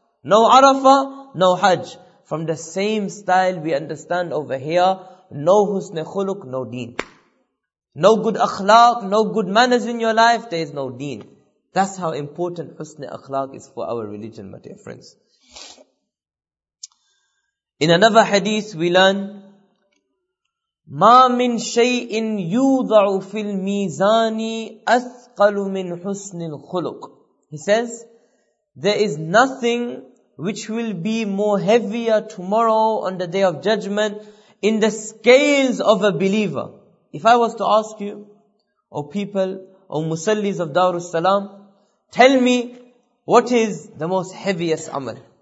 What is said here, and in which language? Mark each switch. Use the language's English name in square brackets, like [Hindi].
[English] No Arafah, no hajj. From the same style we understand over here, no husne khuluq, no deen. No good akhlaq, no good manners in your life, there is no deen. That's how important Husni Akhlaq is for our religion, my dear friends. In another hadith, we learn, [Arabic] مَا مِن شَيْءٍ يُوضَعُ فِي الْمِيزَانِ أَثْقَلُ مِن حُسْنِ الْخُلُقِ. [English] He says, there is nothing which will be more heavier tomorrow on the Day of Judgment in the scales of a believer. If I was to ask you, O people, O musallis of Darus Salam, tell me, what is the most heaviest amal?